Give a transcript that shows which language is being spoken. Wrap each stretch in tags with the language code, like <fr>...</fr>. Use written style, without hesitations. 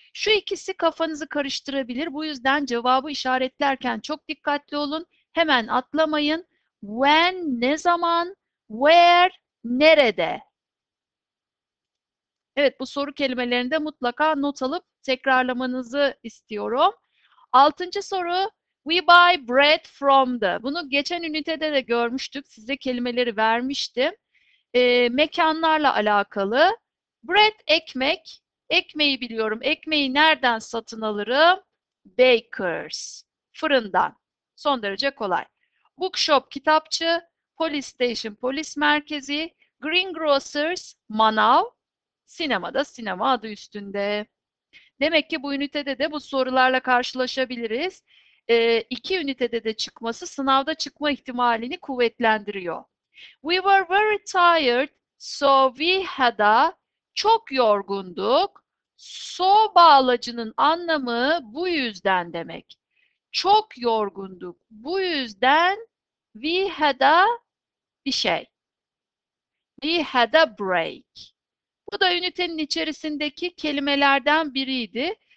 <tr>Şu ikisi kafanızı karıştırabilir. Bu yüzden cevabı işaretlerken çok dikkatli olun. Hemen atlamayın. When ne zaman? Where, nerede? Evet, bu soru kelimelerini de mutlaka not alıp tekrarlamanızı istiyorum. Altıncı soru,</tr> <en>we buy bread from the.</en> <tr>Bunu geçen ünitede de görmüştük, size kelimeleri vermiştim. Mekanlarla alakalı. Bread, ekmek. Ekmeği biliyorum. Ekmeği nereden satın alırım? Baker's, fırından. Son derece kolay. Bookshop, kitapçı. Police station, polis merkezi, greengrocers, manav, sinemada, sinema adı üstünde. Demek ki bu ünitede de bu sorularla karşılaşabiliriz. İki ünitede de çıkması sınavda çıkma ihtimalini kuvvetlendiriyor.</tr> <en>We were very tired, so we had a,</en> <tr>çok yorgunduk. So bağlacının anlamı bu yüzden demek. Çok yorgunduk. Bu yüzden</tr> <en>we had a</en> <tr>bir şey.</tr> <en>We had a break.</en> <tr>Bu da ünitenin içerisindeki kelimelerden biriydi.</tr>